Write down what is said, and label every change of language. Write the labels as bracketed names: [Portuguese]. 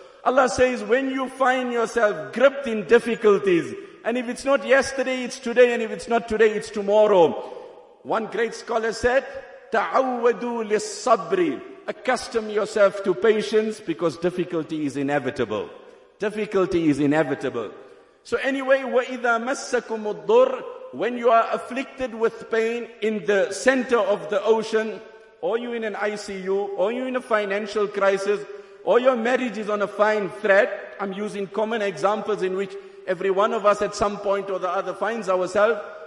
[English] Allah says, when you find yourself gripped in difficulties, and if it's not yesterday, it's today, and if it's not today, it's tomorrow. One great scholar said, [Arabic] تَعَوَّدُوا لِلصَّبْرِ. [English] Accustom yourself to patience, because difficulty is inevitable. Difficulty is inevitable. So anyway, [Arabic] وَإِذَا مَسَّكُمُ الضُّرِّ. [English] When you are afflicted with pain in the center of the ocean, or you're in an ICU, or you're in a financial crisis, or your marriage is on a fine thread, I'm using common examples in which every one of us at some point or the other finds ourselves.